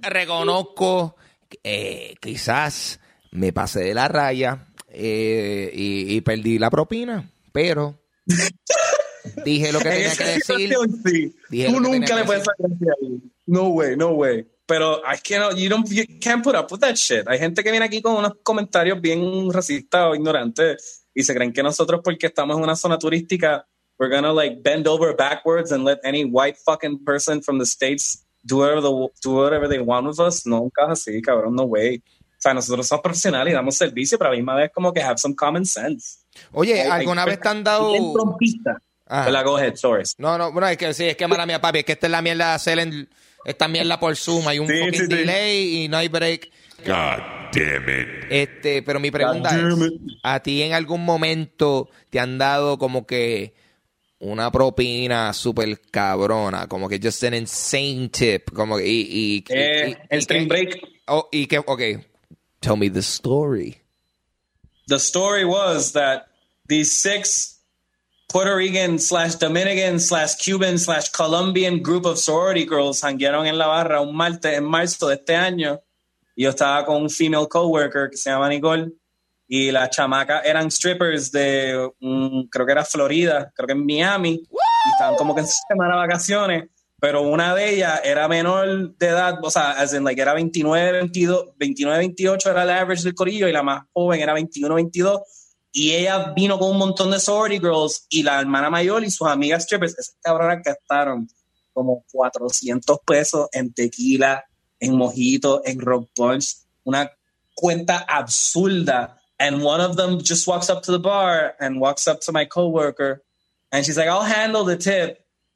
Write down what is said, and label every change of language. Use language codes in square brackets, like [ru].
[es] Reconozco, quizás me pasé de la raya y perdí la propina, pero dije lo que tenía que decir. Sí. Dije tú nunca le puedes sacar de ahí. [en] No way. Pero you can't put up with that shit. [es] Hay gente que viene aquí con unos comentarios bien racistas o ignorantes y se creen que nosotros porque estamos en una zona turística [en] we're gonna like bend over backwards and let any white fucking person from the States do whatever they want with us. [es] No, nunca así, cabrón, no way. O sea, nosotros somos profesionales y damos servicio, pero a la misma vez como que [en] have some common sense. [es] Oye, ¿alguna vez te han dado? [en] Hola, go ahead, sorry. [es] No, bueno, es que sí, es que mala mía, papi, es que esta es la mierda de hacer esta mierda por Zoom. Hay un fucking delay y no hay break. [en] God damn it. [es] Pero mi pregunta es, ¿a ti en algún momento te han dado como que una propina super cabrona, como que [en] just an insane tip, [es] como que el spring break? [en] Oh, y que, okay, tell me the story. The story was that these 6 Puerto Rican / Dominican / Cuban / Colombian group of sorority girls [es] hanguearon en la barra un martes en marzo de este año. Yo estaba con un female coworker que se llama Nicole. Y las chamacas eran strippers de, creo que era Florida, creo que en Miami. Y estaban como que en semana de vacaciones. Pero una de ellas era menor de edad, o sea, [en] as in like, [es] era 29, 28 era el average del corillo. Y la más joven era 21, 22. Y ella vino con un montón de sorority girls. Y la hermana mayor y sus amigas strippers, esas cabronas gastaron como $400 en tequila, en mojito, en rock punch. Una cuenta absurda. [en] And one of them just walks up to the bar and walks up to my coworker, and she's like, I'll handle the tip.